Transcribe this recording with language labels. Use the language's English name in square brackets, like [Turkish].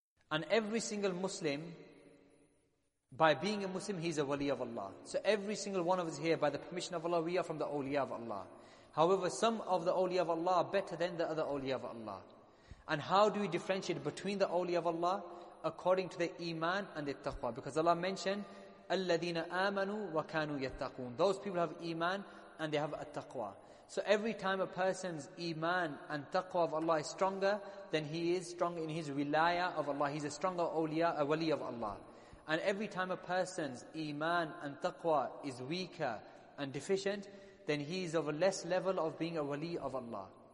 [English] And every single Muslim, by being a Muslim, he's a wali of Allah. So every single one of us here, by the permission of Allah, we are from the awliya of Allah. However, some of the awliya of Allah are better than the other awliya of Allah. And how do we differentiate between the awliya of Allah? According to the iman and the taqwa. Because Allah mentioned, [Arabic] الَّذِينَ آمَنُوا وَكَانُوا يَتَّقُونَ. [English] Those people have iman and they have a taqwa. So every time a person's iman and taqwa of Allah is stronger, then he is stronger in his wilaya of Allah. He's a stronger awliya, a wali of Allah. And every time a person's iman and taqwa is weaker and deficient, then he is of a less level of being a wali of Allah.